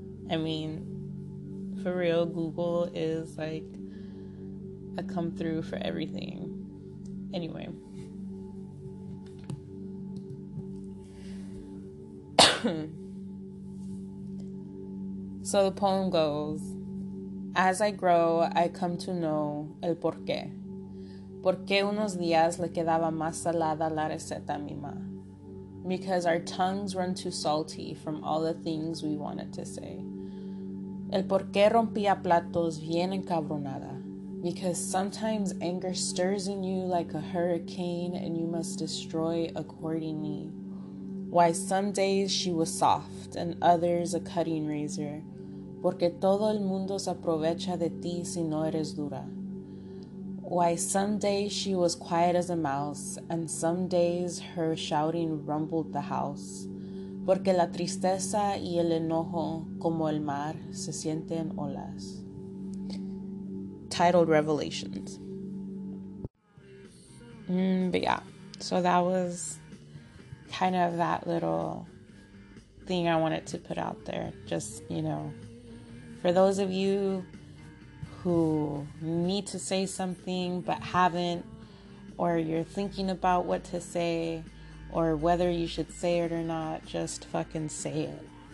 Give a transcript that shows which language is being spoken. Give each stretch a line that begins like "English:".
English: I mean, for real, Google is like a come through for everything. Anyway. So the poem goes, as I grow, I come to know
Spanish: el porqué. Porque unos días le quedaba más salada la receta a mi ma.
English: Because our tongues run too salty from all the things we wanted to say.
Spanish: El porqué rompía platos bien encabronada.
English: Because sometimes anger stirs in you like a hurricane and you must destroy accordingly. Why some days she was soft and others a cutting razor.
Spanish: Porque todo el mundo se aprovecha de ti si no eres dura.
English: Why some days she was quiet as a mouse and some days her shouting rumbled the house.
Spanish: Porque la tristeza y el enojo como el mar se sienten olas.
English: Titled Revelations. But yeah, so that was kind of that little thing I wanted to put out there. Just, you know, for those of you who need to say something but haven't, or you're thinking about what to say or whether you should say it or not, just fucking say it.